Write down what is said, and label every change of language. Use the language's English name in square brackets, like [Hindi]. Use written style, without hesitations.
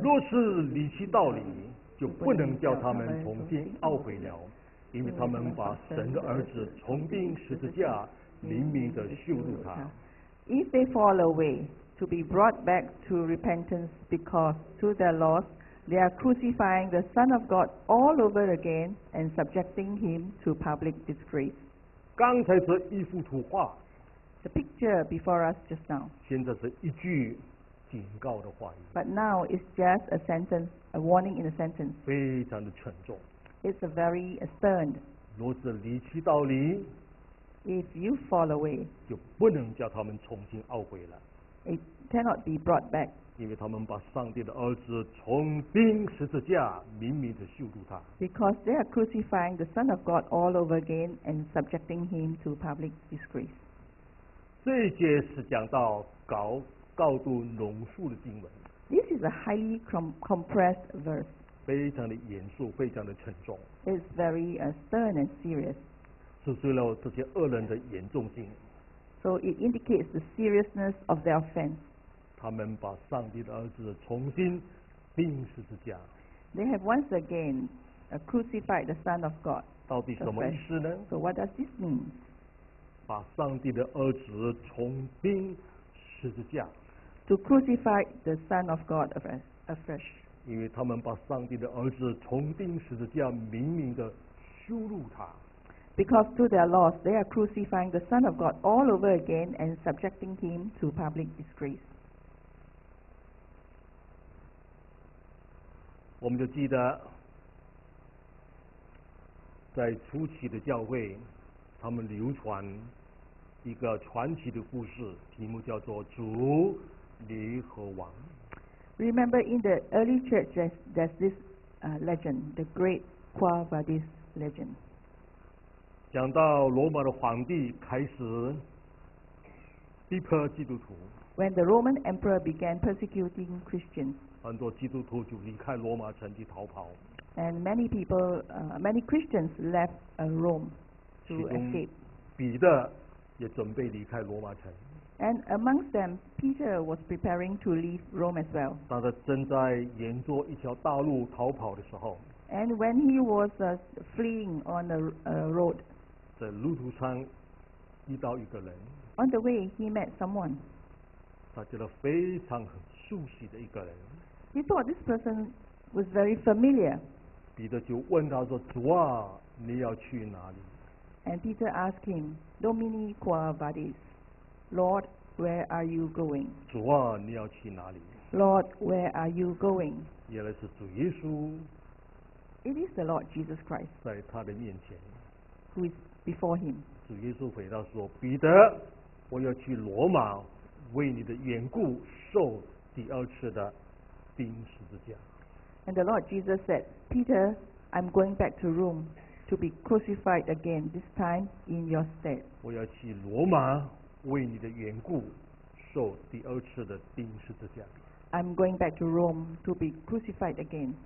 [Chinese] 若是离弃道理，就不能叫他们从今懊悔了，因为他们把神的儿子从钉十字架，明明的羞辱他。 [English] If they fall away, to be brought back to repentance because to their loss. They are crucifying the Son of God all over again and subjecting him to public disgrace. [Chinese] 刚才是一幅图画。 [English] The picture before us just now. [Chinese] 现在是一句警告的话语。 [English] But now it's just a sentence, a warning in a sentence. [Chinese] 非常的沉重。 [English] It's a very stern. [Chinese] 若是离弃道理。 [English] If you fall away. [Chinese] 就不能叫他们重新懊悔了。 [English] It cannot be brought back. [Chinese] 因为他们把上帝的儿子从钉十字架，明明的羞辱他。 [English] Because they are crucifying the Son of God all over again and subjecting him to public disgrace. [Chinese] 这一节是讲到高度浓缩的经文。 [English] This is a highly compressed verse. [Chinese] 非常的严肃，非常的沉重。 [English] It's very stern and serious. [Chinese] 指出了这些恶人的严重性。 [English] So it indicates the seriousness of their offense. [Chinese] 他们把上帝的儿子重新钉十字架。 [English] They have once again crucified the Son of God. [Chinese] 到底什么意思呢 [English] ？So what does this mean? [Chinese] 把上帝的儿子重钉十字架。 [English] To crucify the Son of God afresh. [Chinese] 因为他们把上帝的儿子重钉十字架，明明的羞辱他。 [English] Because to their loss, they are crucifying the Son of God all over again and subjecting him to public disgrace. [Chinese] 我们就记得在初期的教会他们流传一个传奇的故事，题目叫做《主、驴和王》。 [English] Remember, in the early church, there's this legend, the great Quo Vadis legend. [Chinese] 讲到罗马的皇帝开始逼迫基督徒。 [English] When the Roman emperor began persecuting Christians, [Chinese] 很多基督徒就离开罗马城去逃跑。 [English] And many people, many Christians left Rome to escape. [Chinese] 彼得也准备离开罗马城。 [English] And amongst them, Peter was preparing to leave Rome as well. [Chinese] 当他正在沿着一条大路逃跑的时候。 [English] And when he was fleeing on the road, [Chinese] 在路途上遇到一个人。 [English] On the way, he met someone. [Chinese] 他觉得非常熟悉的一个人。 [English] He thought this person was very familiar. [Chinese] 彼得就问他说：“主啊，你要去哪里？” [English] And Peter asked him, [Latin] "Domine qua vadis, [English] Lord, where are you going?" [Chinese] 主啊，你要去哪里？ [English] Lord, where are you going? [Chinese] 原来是主耶稣。 [English] It is the Lord Jesus Christ. [Chinese] 在他的面前。 [English] Who is before him? [Chinese] 主耶稣回答说：“彼得，我要去罗马，为你的缘故受第二次的钉十字架。” [English] And the Lord Jesus said, "Peter, I'm going back to Rome to be crucified again. This time in your stead." [Chinese] 我要去罗马，为你的缘故受第二次的钉十字架。 [English] I'm going back to Rome to be crucified again.